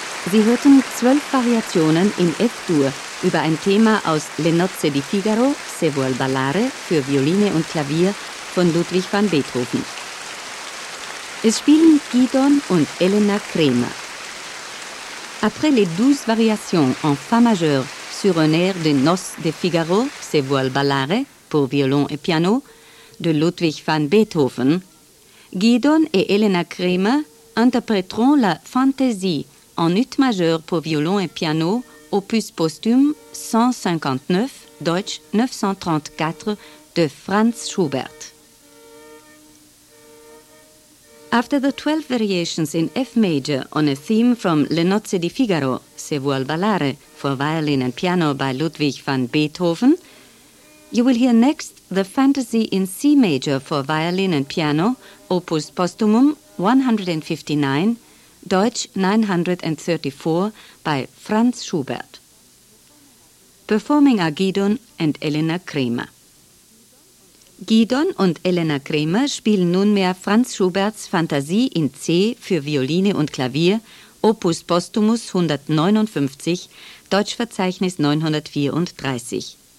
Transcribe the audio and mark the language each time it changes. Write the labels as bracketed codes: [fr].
[de] Sie hörten 12 Variationen in F-Dur über ein Thema aus Le nozze di Figaro, Se vuol ballare, für Violine und Klavier von Ludwig van Beethoven. Es spielen Gidon und Elena Kremer. [fr] Après les 12 variations en Fa majeur sur un air de Noces de Figaro, Se vuol ballare, pour violon et piano, de Ludwig van Beethoven, Gidon et Elena Kremer interpréteront la Fantaisie en ut majeur pour violon et piano, opus posthume 159, Deutsch 934, de Franz Schubert. [en] After the 12 variations in F major on a theme from Le nozze di Figaro, Se vuol ballare, for violin and piano by Ludwig van Beethoven, you will hear next the Fantasy in C major for violin and piano, opus posthumum 159, Deutsch 934, by Franz Schubert. Performing are Gidon and Elena Kremer. [de] Gidon und Elena Kremer spielen nunmehr Franz Schuberts Fantasie in C für Violine und Klavier, Opus Postumus 159, Deutschverzeichnis 934.